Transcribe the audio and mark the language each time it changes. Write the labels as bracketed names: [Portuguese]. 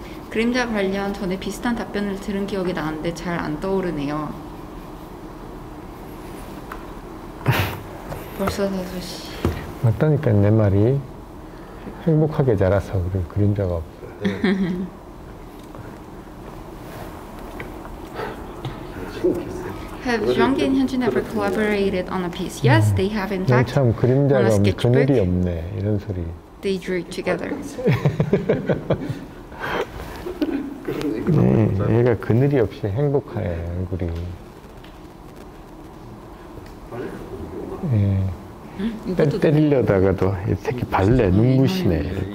[Korean] 그림자 관련 전에 비슷한 답변을 들은 기억이 나는데 잘 안 떠오르네요. 벌써 5시. 맞다니까 내 말이. 행복하게 자라서 그래, 그림자가 없어. 네. [English] Have Zhang and Hyunjin ever collaborated on a piece? Yes, they have in fact. [Korean] 참 그림자가 없네, 그늘이 없네 이런 소리. [English] They drew together. [Korean] 네, 얘가 그늘이 없이 행복해 얼굴이. 예. 네. 때리려다가도 이 새끼 발레 눈부시네.